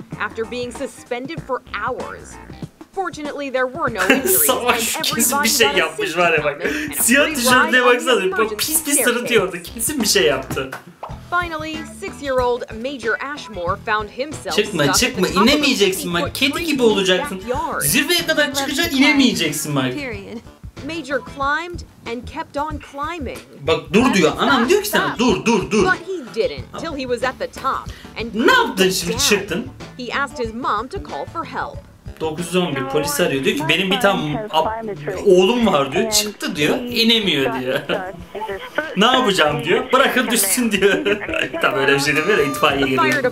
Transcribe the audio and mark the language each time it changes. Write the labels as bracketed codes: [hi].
[en] After being suspended for hours. Fortunately there were no injuries. [tr] Savaş kesin bir şey yapmış var ya bak. Siyah tişörtüne baksana. Bak pis pis sırıtıyordu. Kesin bir şey yaptı. [en] Finally, 6-year-old Major Ashmore found himself. [tr] Çıkma, çıkma, inemeyeceksin bak. Kedi gibi olacaksın. Zirveye kadar çıkacaksın, inemeyeceksin bak. [en] Major climbed and kept on climbing. [tr] Bak dur diyor. Anam diyor ki sana dur, dur, dur. [en] But he didn't till he was at the top. [tr] And ne yaptın şimdi çıktın? [en] He asked his mom to call for help. [tr] 911 polis arıyor diyor ki benim bir tam oğlum var diyor çıktı diyor inemiyor diyor. Ne yapacağım diyor? Bırakın düşsün diyor. Tam öyle bir şey demiyor da itfaiye geliyor.